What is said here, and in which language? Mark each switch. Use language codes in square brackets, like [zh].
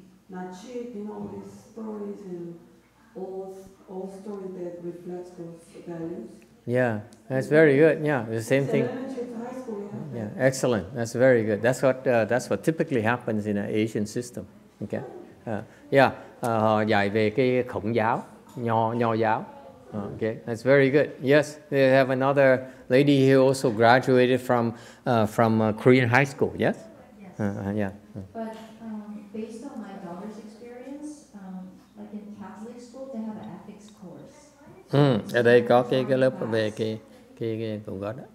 [en] Not cheat, all these stories and old stories that reflect those values. Yeah, that's very good. Yeah, the same thing. School, yeah, excellent. That's very good. That's what typically happens in an Asian system. Okay. [vi] Họ dạy về cái Khổng giáo, nho giáo. [en] Okay, that's very good. Yes, they have another lady who also graduated from Korean high school. Yes. Yes. Yeah. But based on my daughter's experience, like in Catholic school, they have an ethics course. [vi] Ở đây có cái lớp về cái cũng có đó.